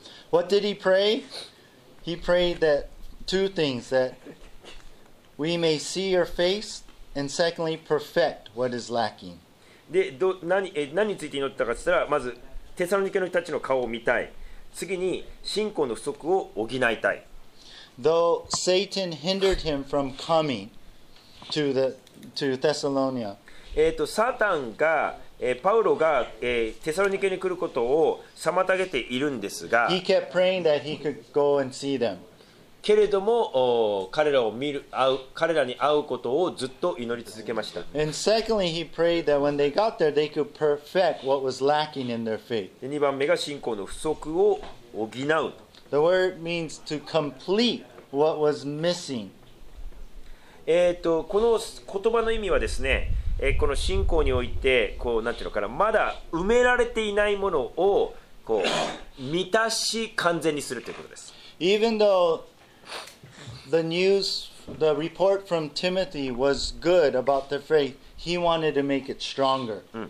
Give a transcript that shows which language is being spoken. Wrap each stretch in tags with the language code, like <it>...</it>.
<en>What did he pray? He prayed that two things, that we may see your face, and secondly, perfect what is lacking.</en> <ja>で、何について祈ったかって言ったら、まずテサロニケの人たちの顔を見たい。次に信仰の不足を補いたい。</ja> <en>Though Satan hindered him from coming to Thessalonia.</en> <ja>サタンが、パウロが、テサロニケに来ることを妨げているんですが、</ja> <en>he kept praying that he could go and see them.</en> <ja>けれども、彼らに会うことをずっと祈り続けました。</ja> <en>And secondly, he prayed that when they got there, they could perfect what was lacking in their faith.</en> <ja>で、2番目が信仰の不足を補う。</ja> <en>The word means to complete what was missing.</en> <ja>この言葉の意味はですね、この信仰においてこうなんていうのかな、まだ埋められていないものをこう満たし完全にするということです。</ja> <en>Even though the news, the report from Timothy was good about their faith, he wanted to make it stronger.</en>